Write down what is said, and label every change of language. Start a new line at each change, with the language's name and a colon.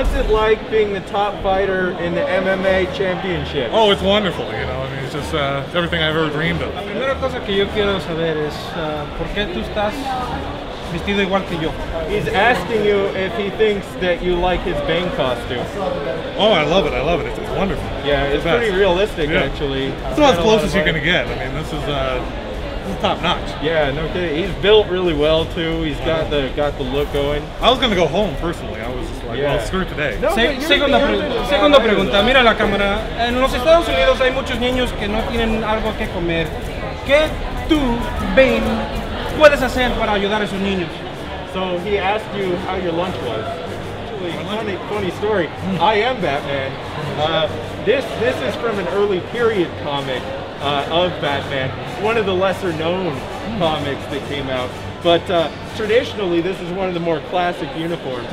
English: like being the top fighter in the MMA championship? Oh, it's wonderful, you know. I mean, it's just everything I've ever dreamed of.
Spanish: La primera cosa que yo quiero saber es por qué tú estás vestido igual que yo.
English: He's asking you if he thinks that you like his Bane costume. Oh, I love it. I love it. It's wonderful. Yeah, it's pretty realistic, yeah. Actually. It's about as close as you're going to get. I mean, this is... top notch. Yeah, no kidding. He's built really well too. He's got the look going. I was gonna go home personally. I was just like, well, screw today.
Spanish: No, segunda pregunta. Mira la cámara. En los Estados Unidos hay muchos niños que no tienen algo que comer. ¿Qué tú, Bane, puedes hacer para ayudar a esos niños?
English: So he asked you how your lunch was. Funny story. I am Batman. This is from an early period comic. Of Batman, one of the lesser known comics that came out. But traditionally, this is one of the more classic uniforms.